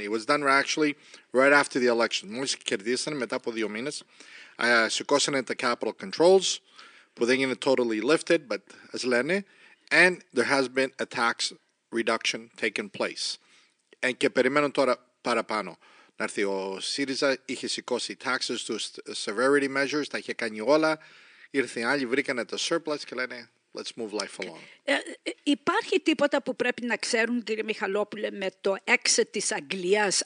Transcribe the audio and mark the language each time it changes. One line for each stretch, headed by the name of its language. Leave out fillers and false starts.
English: It was done actually right after the election.
Greek: Μόλις κερδίσανε μετά από δύο μήνες. Σηκώσανε τα
English: capital controls,
Greek: που δεν είναι
English: totally lifted, but as
Greek: λένε.
English: And there has been a tax reduction taking place.
Greek: And και περιμένω τώρα παραπάνω. Να έρθει ο ΣΥΡΙΖΑ, είχε σηκώσει taxes, τους
English: severity measures,
Greek: τα είχε κάνει όλα. Ήρθαν άλλοι, βρήκανε το surplus και λένε...
English: Let's move life along.
Greek: Υπάρχει τίποτα που πρέπει να ξέρουν, κύριε Μιχαλόπουλε, με το exit της Αγγλίας?